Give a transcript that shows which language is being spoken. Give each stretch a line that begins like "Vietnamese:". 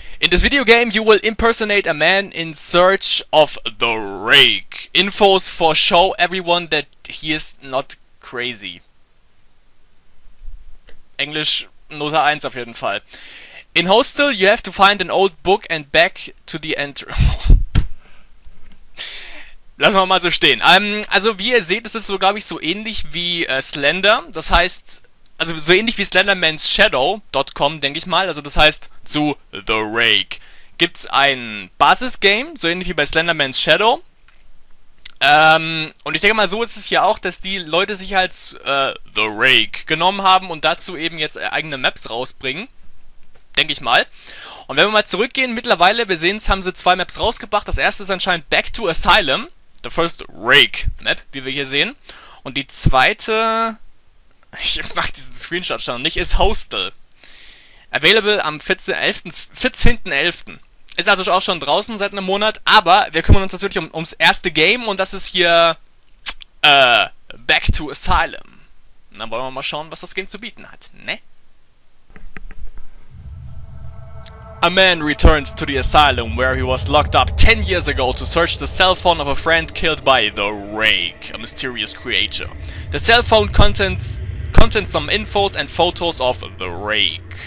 English: In this video game, you will impersonate a man in search of the rake. Infos for show everyone that he is not crazy.
German: Englisch Note 1 auf jeden Fall.
English: In Hostel, you have to find an old book and back to the entrance.
German: Lassen wir mal so stehen. Also wie ihr seht, es ist so, glaube ich, so ähnlich wie Slender. Das heißt, also so ähnlich wie Slendermansshadow.com, denke ich mal. Also das heißt, zu The Rake gibt es ein Basis-Game, so ähnlich wie bei Slendermans Shadow. Und ich denke mal, so ist es hier auch, dass die Leute sich als The Rake genommen haben und dazu eben jetzt eigene Maps rausbringen, denke ich mal. Und wenn wir mal zurückgehen, mittlerweile, wir sehen es, haben sie zwei Maps rausgebracht. Das erste ist anscheinend Back to Asylum. The first Rake Map, wie wir hier sehen. Und die zweite, ich mach diesen Screenshot schon nicht, ist Hostel. Available am 14.11. Ist also auch schon draußen seit einem Monat. Aber wir kümmern uns natürlich ums erste Game. Und das ist hier Back to Asylum. Und dann wollen wir mal schauen, was das Game zu bieten hat, ne?
English: A man returns to the asylum where he was locked up 10 years ago to search the cell phone of a friend killed by the Rake, a mysterious creature. The cell phone contains some infos and photos of the Rake.